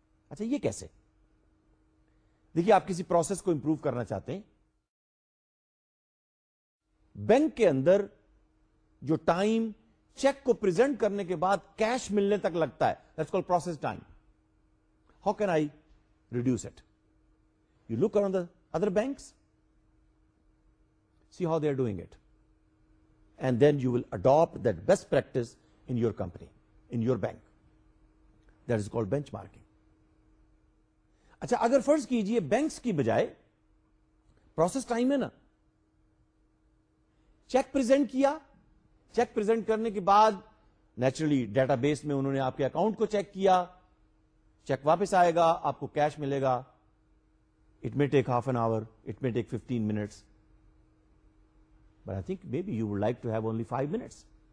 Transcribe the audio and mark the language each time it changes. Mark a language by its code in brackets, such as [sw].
[ur] اچھا یہ کیسے؟ دیکھیے آپ کسی پروسیس کو امپروو کرنا چاہتے ہیں, بینک کے اندر جو ٹائم چیک کو پریزنٹ کرنے کے بعد کیش ملنے تک لگتا ہے, that's call process time. How can I reduce it? [en] You look around the other banks, see how they are doing it. And then you will adopt that best practice in your company, in your bank. That is called benchmarking. [ur] اچھا اگر فرض کیجئے banks کی بجائے process time ہے نا, check present کیا, check present کرنے کے بعد نیچرلی ڈیٹا بیس میں انہوں نے آپ کے اکاؤنٹ کو چیک کیا, چیک واپس آئے گا, آپ کو کیش ملے گا, it may take half an hour, it may take 15 minutes, but I think may be you would like to have only 5 minutes.